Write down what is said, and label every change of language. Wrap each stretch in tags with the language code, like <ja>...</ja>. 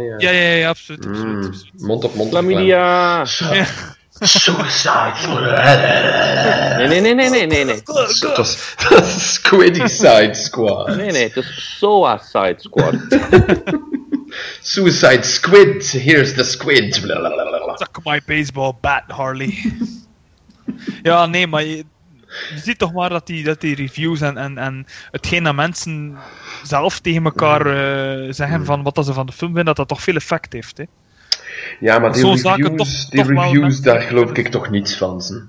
<nl>Ja, absoluut. Mond-tot-mond reclame. Chlamydia! Suicide Squad. Nee. Dat is Squiddy Side Squad. Nee, het is Soa Side Squad.</nl> <en>Suicide Squid. Here's the squid. Suck my baseball bat, Harley.</en> <nl>Ja, nee, maar je ziet toch maar dat die reviews en hetgeen dat mensen zelf tegen elkaar zeggen van wat dat ze van de film vinden, dat toch veel effect heeft, hè? Ja. Ja, maar die reviews daar geloof ik toch niets van.</nl>